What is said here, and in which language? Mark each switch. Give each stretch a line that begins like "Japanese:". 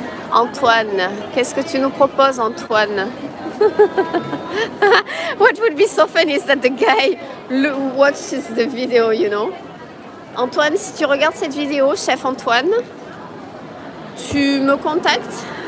French: Antoine, qu'est-ce que tu nous proposes, Antoine?
English: What would be so funny is that the guy watches the video, you know?
French: Antoine, si tu regardes cette vidéo, chef Antoine, tu me contactes?